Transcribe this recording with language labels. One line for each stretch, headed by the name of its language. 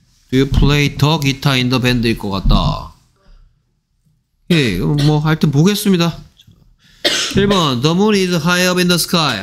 English: Do you play the guitar in the band? Do you play the guitar in the band일 것 같다.
Korean: 예, 뭐 하여튼 보겠습니다.
English: 1번 The moon is high up in the sky.